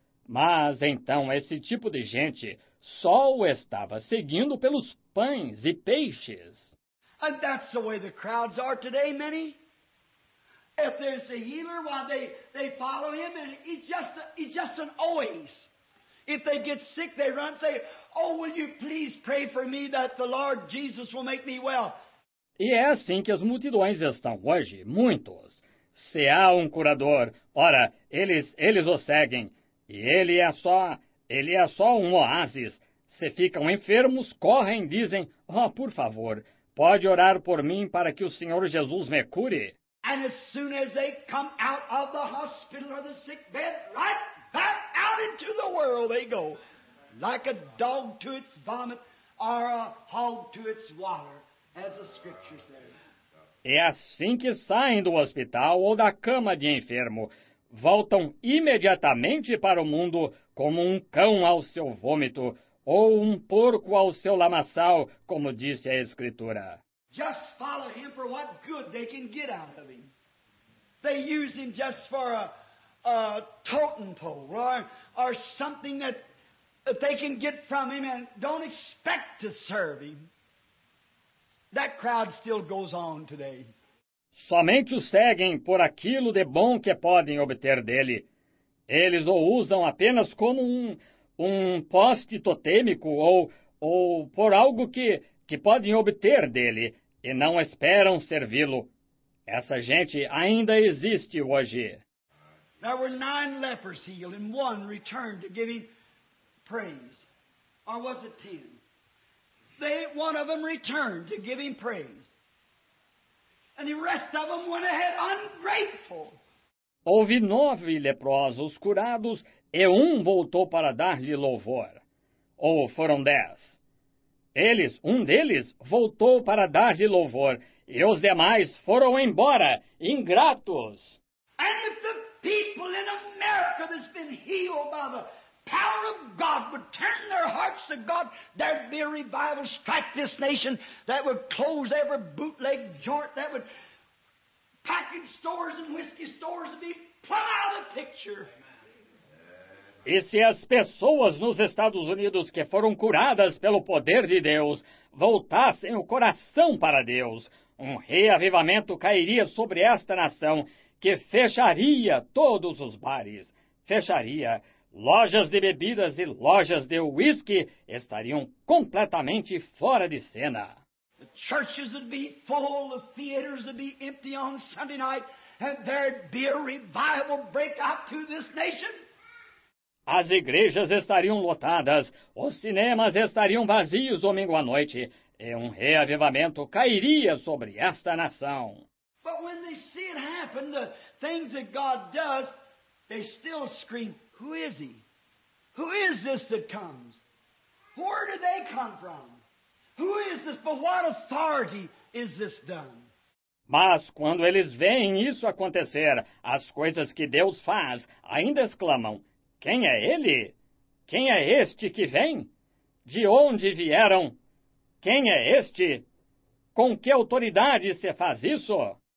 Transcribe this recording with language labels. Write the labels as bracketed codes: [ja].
[pt] Mas então esse tipo de gente só o estava seguindo pelos pães e peixes. [en] And that's the way the crowds are today, many. If there's a healer, why they follow him and he's just an oase. If they get sick, they run and say, oh, will you please pray for me that the Lord Jesus will make me well. [pt] E é assim que as multidões estão hoje, muitos. Se há um curador, ora, eles o seguem. E ele é só um oásis. Se ficam enfermos, correm e dizem, oh, por favor, pode orar por mim para que o Senhor Jesus me cure? [en] And as soon as they come out of the hospital or the sick bed, right back out into the world they go. Like a dog to its vomit or a hog to its water. As the scripture says. [pt] É assim que saem do hospital ou da cama de enfermo. Voltam imediatamente para o mundo como um cão ao seu vômito ou um porco ao seu lamaçal, como disse a escritura. [en] Just follow him for what good they can get out of him. They use him just for a totem pole or something that they can get from him and don't expect to serve him. That crowd still goes on today. [pt] Somente o seguem por aquilo de bom que podem obter dele. Eles o usam apenas como um poste totêmico ou por algo que podem obter dele e não esperam servi-lo. Essa gente ainda existe hoje. [en] There were 9 lepers healed and one returned to give him praise. Or was it 10? One of them returned to give him praise. And the rest of them went ahead ungrateful. [pt] Houve 9 leprosos curados e um voltou para dar-lhe louvor. Ou foram 10? Um deles, voltou para dar-lhe louvor e os demais foram embora, ingratos. [en] And if the people in America that's been healed by the power of God would turn their hearts to God, there'd be a revival strike this nation that would close every bootleg joint, that would package stores and whiskey stores would be plumb out of the picture. [pt] E se as pessoas nos Estados Unidos que foram curadas pelo poder de Deus voltassem o coração para Deus, um reavivamento cairia sobre esta nação que fecharia todos os bares, fecharia lojas de bebidas e lojas de uísque estariam completamente fora de cena. [en] The churches would be full, the theaters would be empty on Sunday night, and there'd be a revival breakout to this nation. [pt] As igrejas estariam lotadas, os cinemas estariam vazios domingo à noite, e um reavivamento cairia sobre esta nação. [en] But when they see it happen, the things that God does, they still scream, "Who is he? Who is this that comes? Where do they come from? Who is this? By what authority is this done?" [pt] Mas quando eles veem isso acontecer, as coisas que Deus faz, ainda exclamam, "Quem é ele? Quem é este que vem? De onde vieram? Quem é este? Com que autoridade se faz isso?"